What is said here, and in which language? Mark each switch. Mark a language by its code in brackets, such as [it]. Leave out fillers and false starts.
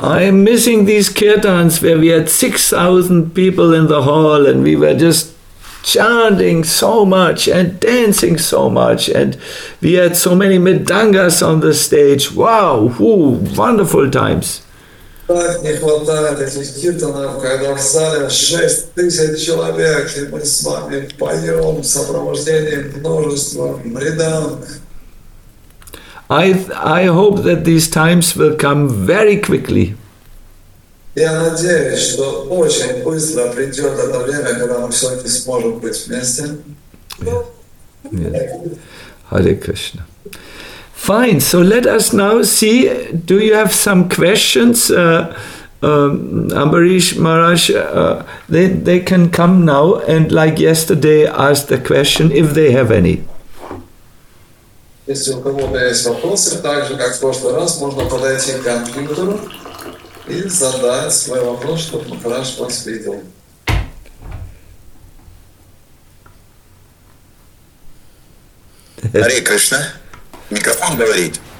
[en] I am missing these kirtans where we had 6,000 people in the hall and we were just chanting so much and dancing so much and we had so many medangas on the stage. Wow, whoo, wonderful times. [ru] Так не хватает этих киртанов, когда в зале 6,000 человек и мы с вами поем в сопровождении множества мриданг. [en] I hope that these times will come very quickly. [ru] Я надеюсь, что очень быстро придет это время, когда мы все-таки сможем быть вместе. [en] Hare Krishna. Fine. So let us now see. Do you have some questions, Ambarish Maharaj? They can come now and, like yesterday, ask the question if they have any. [ru] Если у кого-то есть вопросы, так же, как в прошлый раз, можно подойти к компьютеру и задать свой вопрос, чтобы Махарадж вас видел. Hare Krishna. Микрофон говорит.